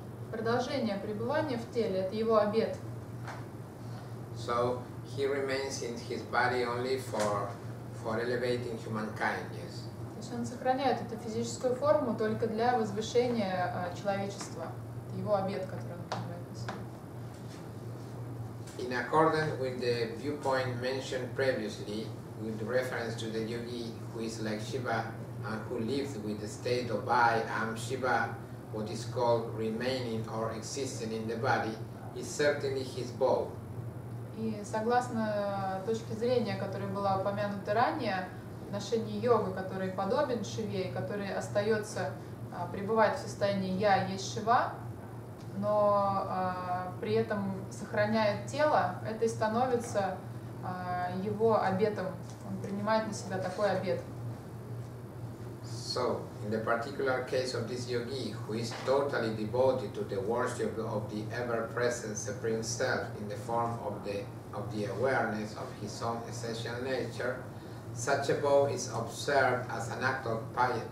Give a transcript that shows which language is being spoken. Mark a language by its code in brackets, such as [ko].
[ru] Продолжение пребывания в теле, это его обет. [en] So he remains in his body only for elevating humankind, yes. [ru] То есть он сохраняет эту физическую форму только для возвышения человечества. Это его обет, который он проявляет на себе. [en] In accordance with the viewpoint mentioned previously, with reference to the yogi who is like Shiva and who lives with the state of I am Shiva, what is called remaining or existing in the body, is certainly his bow. [ru] И согласно точке зрения, которая была упомянута ранее, в отношении йога, который подобен Шиве, который остается пребывать в состоянии «я есть Шива», но при этом сохраняет тело, это и становится его обетом. Он принимает на себя такой обет. [en] So, in the particular case of this yogi, who is totally devoted to the worship of the ever-present Supreme Self in the form of the awareness of his own essential nature, such a vow is observed as an act of piety.